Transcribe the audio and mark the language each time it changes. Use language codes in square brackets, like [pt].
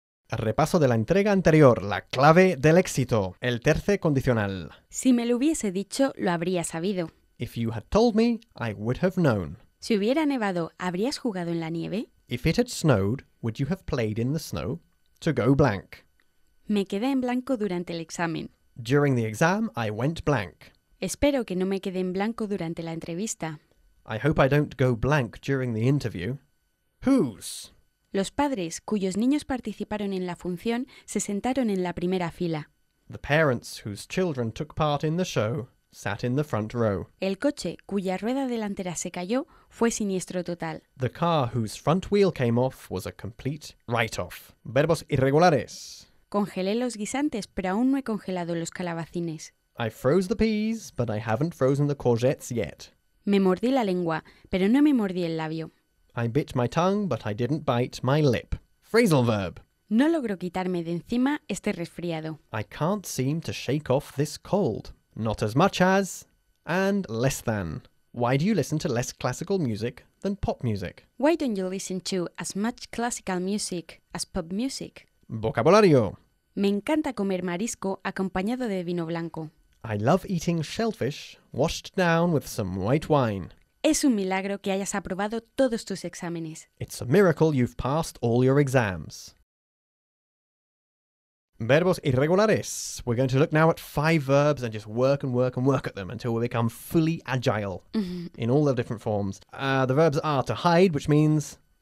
[es] Repaso de la entrega anterior, la clave del éxito, el tercer condicional. Si me lo hubiese dicho, lo habría sabido. [en] If you had told me, I would have known. [es] Si hubiera nevado, ¿habrías jugado en la nieve? [en] If it had snowed, would you have played in the snow? To go blank. [es] Me quedé en blanco durante el examen. [en] During the exam, I went blank. [es] Espero que no me quede en blanco durante la entrevista. [en] I hope I don't go blank during the interview. Whose? [es] Los padres, cuyos niños participaron en la función, se sentaron en la primera fila. [en] The parents, whose children took part in the show, sat in the front row. [es] El coche, cuya rueda delantera se cayó, fue siniestro total. [en] The car whose front wheel came off was a complete write-off. [es] Verbos irregulares. Congelé los guisantes, pero aún no he congelado los calabacines. [en] I froze the peas, but I haven't frozen the courgettes yet. [es] Me mordí la lengua, pero no me mordí el labio. [en] I bit my tongue, but I didn't bite my lip. Phrasal verb. [es] No logro quitarme de encima este resfriado. [en] I can't seem to shake off this cold. Not as much as, and less than. Why do you listen to less classical music than pop music? Why don't you listen to as much classical music as pop music? [es] Vocabulario. Me encanta comer marisco acompañado de vino blanco. [en] I love eating shellfish washed down with some white wine. [es] Es un milagro que hayas aprobado todos tus exámenes. [en] It's a miracle you've passed all your exams. [es] Verbos irregulares. [en] We're going to look now at five verbs and just work and work and work at them until we become fully agile in all their different forms. The verbs are to hide, which means...